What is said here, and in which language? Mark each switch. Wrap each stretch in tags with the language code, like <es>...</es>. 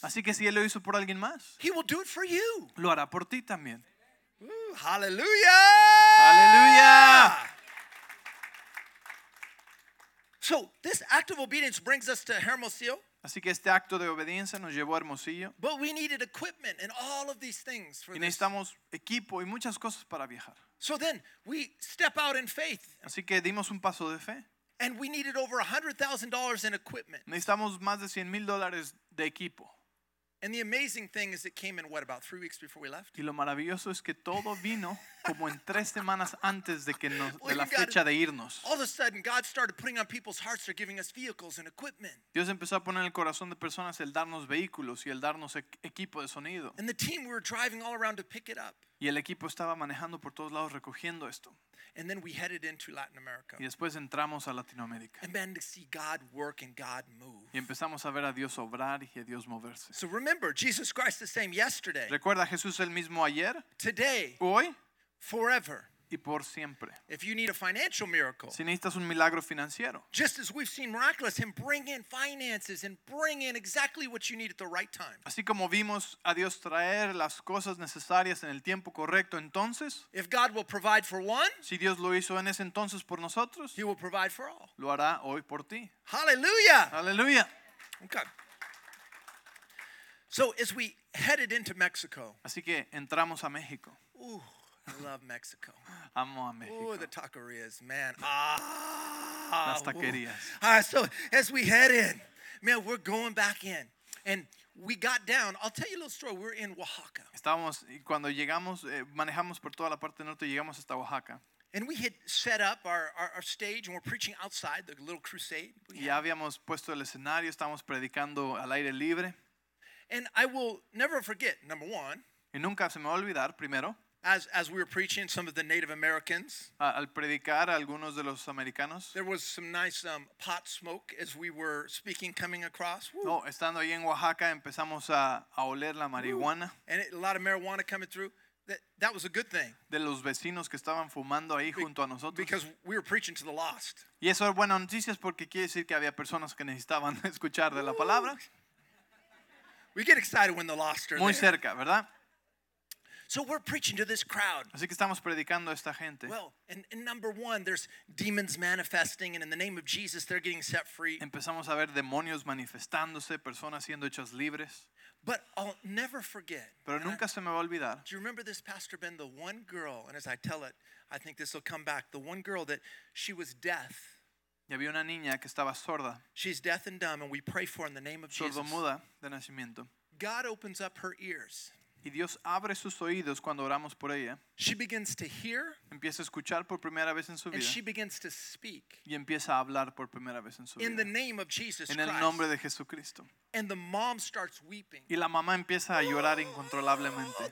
<es>así que si él lo hizo por alguien más,</es> <en>he will do it for you.</en> <es>Lo hará por ti también.</es> <en>Ooh, hallelujah! Hallelujah! So this act of obedience brings us to Hermosillo.</en> <es>Así que este acto de obediencia nos llevó a Hermosillo.</es> <en>But we needed equipment and all of these things for</en> <es>y necesitamos equipo y muchas cosas para viajar.</es> <en>So then we step out in faith.</en> <es>Así que dimos un paso de fe.</es> <en>And we needed over $100,000 in equipment.</en> <es>Necesitamos más de $100,000 de equipo.</es> <en>And the amazing thing is it came in what, about 3 weeks before we left?</en> <es>Y lo maravilloso es que todo vino como en 3 semanas antes de que nos, de la fecha de irnos.</es> <en>All of a sudden, God started putting on people's hearts, they're giving us vehicles and equipment.</en> <es>Dios empezó a poner en el corazón de personas el darnos vehículos y el darnos equipo de sonido.</es> <en>And the team, we were driving all around to pick it up.</en> <es>Y el equipo estaba manejando por todos lados recogiendo esto.</es> <en>And then we headed into Latin America.</en> <es>Y después entramos a Latinoamérica.</es> <en>And began to see God work and God move.</en> <es>Y empezamos a ver a Dios obrar y a Dios moverse.</es> <en>So remember, Jesus Christ the same yesterday.</en> <es>Recuerda, Jesús el mismo ayer.</es> <en>Today.</en> <es>Hoy.</es> <en>Forever.</en> <es>Y por siempre.</es> <en>If you need a financial miracle,</en> <es>si necesitas un milagro financiero,</es> <en>just as we've seen miraculous Him bring in finances and bring in exactly what you need at the right time.</en> <es>Así como vimos a Dios traer las cosas necesarias en el tiempo correcto, entonces,</es> <en>if God will provide for one,</en> <es>si Dios lo hizo en ese entonces por nosotros,</es> <en>He will provide for all.</en> <es>Lo hará hoy por ti.</es> <en>Hallelujah. Hallelujah. Okay. So as we headed into Mexico,</en> <es>así que entramos a México.</es> <en>Ooh. I love Mexico.</en> <es>Amo a México.</es> <en>Ooh, the taquerias, man. Ah,</en> <es>las taquerias.</es> <en>So as we head in, man, we're going back in. And we got down. I'll tell you a little story. We're in Oaxaca.</en> <es>Estábamos, y cuando llegamos, manejamos por toda la parte norte y llegamos hasta Oaxaca.</es> <en>And we had set up our stage and we're preaching outside, the little crusade.</en> <es>Ya habíamos puesto el escenario, estábamos predicando al aire libre.</es> <en>And I will never forget, number one.</en> <es>Y nunca se me va a olvidar, primero.</es> <en>As we were preaching, some of the Native Americans.</en> <es>Al predicar algunos de los americanos.</es> <en>There was some nice pot smoke as we were speaking, coming across.</en> <es>Woo. No, estando ahí en Oaxaca, empezamos a oler la marihuana. Woo.</es> <en>And a lot of marijuana coming through. That was a good thing.</en> <es>De los vecinos que estaban fumando ahí junto a nosotros.</es> <en>Because we were preaching to the lost.</en> <es>Y eso es buena noticia porque quiere decir que había personas que necesitaban escuchar de la palabra.</es> <en>We get excited when the lost are</en> <es>muy</es> <en>there.</en> <es>Cerca, ¿verdad?</es> <en>So we're preaching to this crowd.</en> <es>Así que estamos predicando a esta gente.</es> <en>Well, and number one, there's demons manifesting, and in the name of Jesus, they're getting set free.</en> <es>Empezamos a ver demonios manifestándose, personas siendo hechas libres.</es> <en>But I'll never forget.</en> <es>Pero nunca se me va a olvidar.</es> <en>Do you remember this, Pastor Ben? The one girl, and as I tell it, I think this will come back. The one girl that she was deaf.</en> <es>Y había una niña que estaba sorda.</es> <en>She's deaf and dumb, and we pray for her in the name of Jesus.</en> <es>Sordomuda de nacimiento.</es> <en>God opens up her ears.</en> <es>Y Dios abre sus oídos cuando oramos por ella.</es> <en>She begins to hear.</en> <es>Empieza a escuchar por primera vez en su vida.</es> <en>And she begins to speak.</en> <es>Y empieza a hablar por primera vez en su vida.</es> <en>In the name of Jesus Christ.</en> <es>En el nombre de Jesucristo.</es> <en>And the mom starts weeping.</en> <es>Y la mamá empieza a llorar incontrolablemente.</es>